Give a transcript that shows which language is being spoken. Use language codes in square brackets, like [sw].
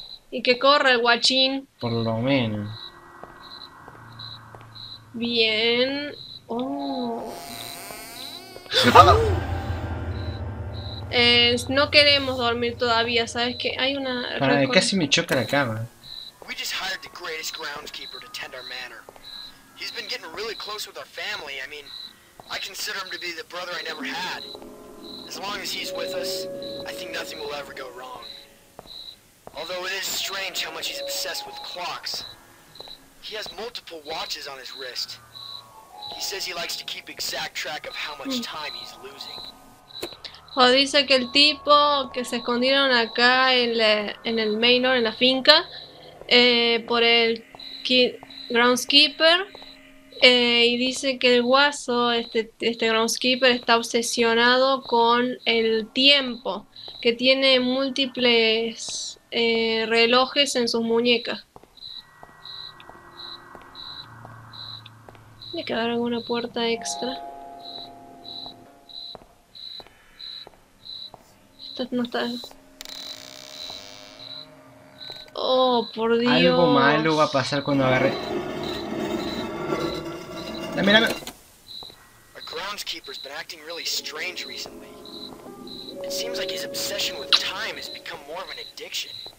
[es] Y que corra el guachín. Por lo menos. Bien. Oh. No queremos dormir todavía, ¿sabes qué? Hay una... Para, casi me choca la cama. [en] We just hired the greatest groundskeeper to tend our manor. He's been getting really close with our family. I mean, I consider him to be the brother I never had. As long as he's with us, I think nothing will ever go wrong. Although it is strange how much he's obsessed with clocks. He has multiple watches on his wrist. He says he likes to keep exact track of how much time he's losing. [es] O dice que el tipo que se escondieron acá en el manor, en la finca, por el groundskeeper, y dice que el guaso, este groundskeeper, está obsesionado con el tiempo, que tiene múltiples relojes en sus muñecas. ¿Tiene que haber alguna puerta extra? No está. Oh, por Dios. Algo malo va a pasar cuando agarre. Dame, dame. [en] A groundskeeper's been acting really strange recently. It seems like his obsession with time has become more of an addiction.